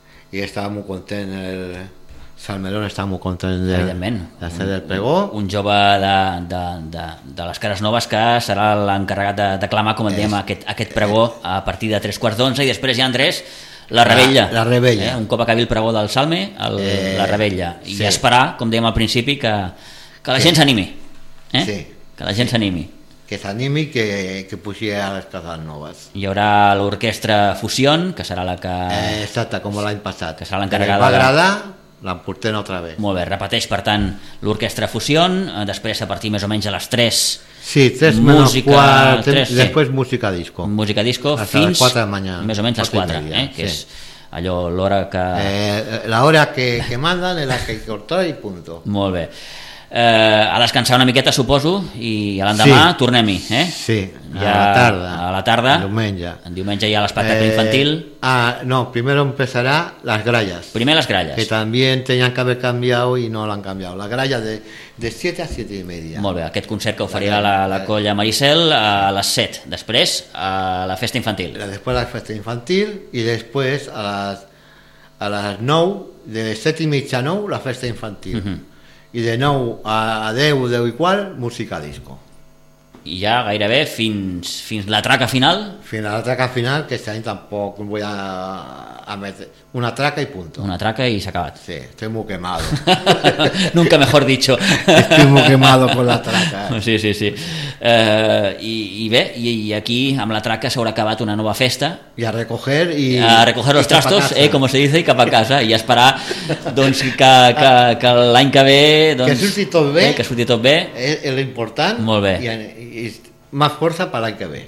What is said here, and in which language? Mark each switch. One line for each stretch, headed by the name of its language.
Catalan: I estava molt content Salmerón està molt content de ser del pregó. Un jove de les Cares Noves que serà l'encarregat de clamar, com dèiem, aquest pregó a partir de 3:15 i després ja, Andrés, la revetlla. La revetlla. Un cop acabi el pregó del Salme, la revetlla. I sí. Esperar, com dèiem al principi, que la gent s'animi. Sí. Que la gent s'animi. Que s'animi, que pugi a les Cases Noves. Hi haurà l'orquestra Fusión, que serà la que... Exacte, com l'any passat. Que serà l'encarregada... L'emportem altra vegada. Molt bé, repeteix, per tant, l'orquestra Fusión, després a partir més o menys a les 3. Sí, 3 menys 4, després música disco. Música disco fins a les 4 de mañana. Més o menys a les 4, que és allò l'hora que... L'hora que mandan és la que cortar i punt. Molt bé. A descansar una miqueta, suposo, i a l'endemà tornem-hi. Sí, a la tarda. A la tarda. Diumenge. En diumenge hi ha l'espectacle infantil.
Spanish: No, primero empezará las grallas.
Catalan: Primer les gralles. Que també tenien que haver canviat i no l'han canviat. La gralla de 7 a 7 i media. Molt bé, aquest concert que oferirà la colla Maricel a les 7. Després, a la festa infantil. Després la festa infantil i després a les 9, de 7 i mitja a 9, la festa infantil. I de 9 a 10, 10 i qual, música disco. I ja gairebé fins la traca final? Fins a la traca final, que aquest any tampoc vull a més... Una traca i punt. Una traca i s'ha acabat.
Spanish: Sí, estoy muy quemado. Nunca mejor dicho. Estoy muy quemado con la traca. Sí, sí, sí.
Catalan: I aquí amb la traca s'haurà acabat una nova festa.
Spanish: I a recoger i... A recoger los trastos, com se dice,
Catalan: i cap a casa. I a esperar doncs, que l'any que ve... Doncs, que surti tot bé. Que surti tot bé. És l'important. Molt bé. I més força per l'any que ve.